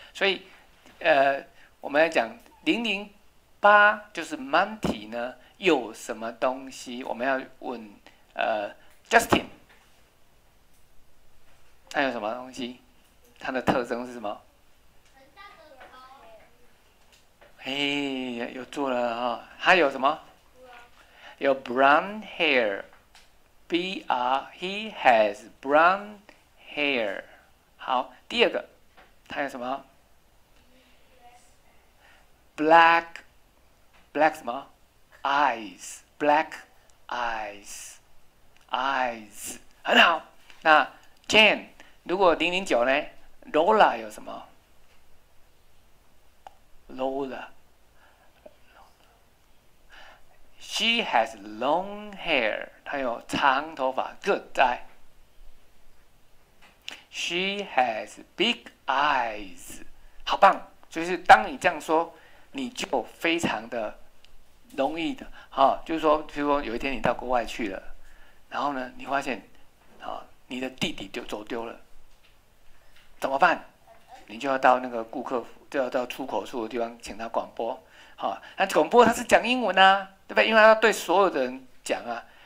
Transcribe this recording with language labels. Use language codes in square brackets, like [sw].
[zh] 所以我们来讲。008就是 Monty 呢，有什么东西？我们要问Justin， 他有什么东西？他的特征是什么？很大的耳包。嘿，有做了哈、哦。他有什么？有 [en] brown hair， he has brown hair。 [zh] 好，第二个，他有什么？ [en] Black [zh] 什么 [en] ？Eyes， black eyes， eyes， [zh] 很好。那 Jane， 如果009呢 ？Lola 有什么 ？Lola， [en] she has long hair， [zh] 她有长头发。 [en] Good eye。 She has big eyes， [zh] 好棒。就是当你这样说。你就非常的容易的、哦、就是说譬如说有一天你到国外去了，然后呢你发现、哦、你的弟弟就走丢了，怎么办？你就要到那个顾客就要到出口处的地方请他广播、哦、那广播他是讲英文啊，对不对？因为他要对所有的人讲啊。